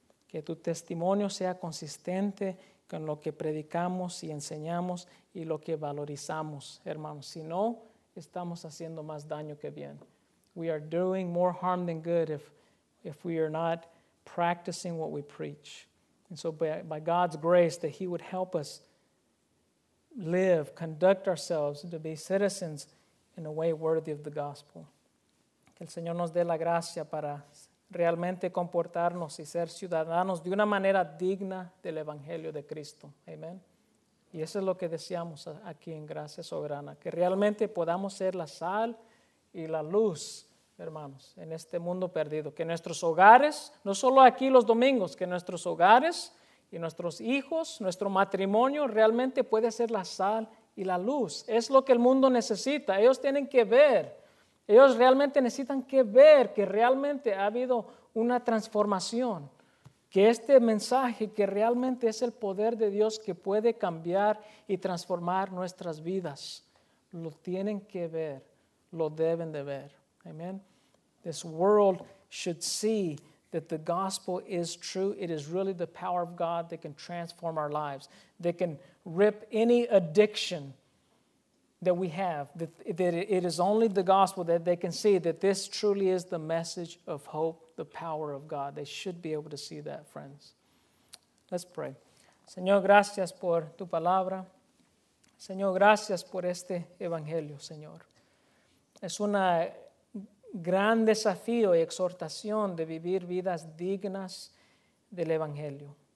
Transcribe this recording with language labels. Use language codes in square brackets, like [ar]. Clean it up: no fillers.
[es] Que tu testimonio sea consistente con lo que predicamos y enseñamos y lo que valorizamos, hermanos. Si no, estamos haciendo más daño que bien. [en] We are doing more harm than good if we are not practicing what we preach. And so by God's grace, that He would help us live, conduct ourselves, to be citizens in a way worthy of the gospel. [es] Que el Señor nos dé la gracia para realmente comportarnos y ser ciudadanos de una manera digna del Evangelio de Cristo. Amén. Y eso es lo que deseamos aquí en Gracia Soberana, que realmente podamos ser la sal y la luz, hermanos, en este mundo perdido. Que nuestros hogares, no solo aquí los domingos, que nuestros hogares y nuestros hijos, nuestro matrimonio, realmente puede ser la sal y la luz. Es lo que el mundo necesita. Ellos tienen que ver. Ellos realmente necesitan que ver que realmente ha habido una transformación. Que este mensaje, que realmente es el poder de Dios que puede cambiar y transformar nuestras vidas, lo tienen que ver, lo deben de ver. [en] Amen. This world should see that the gospel is true. It is really the power of God that can transform our lives. That can rip any addiction that we have. That it is only the gospel that they can see that this truly is the message of hope. The power of God. They should be able to see that, friends. Let's pray. [es] Señor, gracias por tu palabra. Señor, gracias por este evangelio, Señor. Es un gran desafío y exhortación de vivir vidas dignas del evangelio.